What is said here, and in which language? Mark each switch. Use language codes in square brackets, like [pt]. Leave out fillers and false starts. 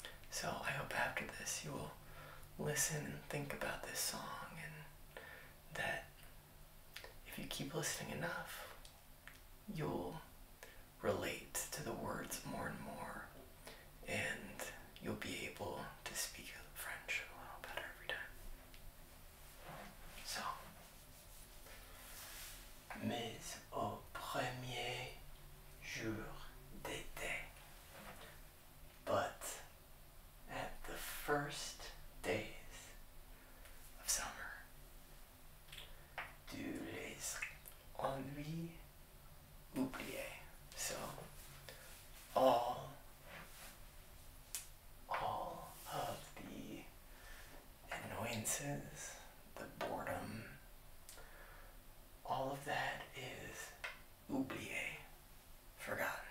[en] So I hope after this you will listen and think about this song, and that if you keep listening enough, you'll relate to the words more and more, and you'll be able to speak French a little better every time. [fr] So, mais au premier jour d'été, [en] but first days of summer, [fr] tu les ennuis oubliés. [en] So all of the annoyances, the boredom, all of that is oublié, forgotten.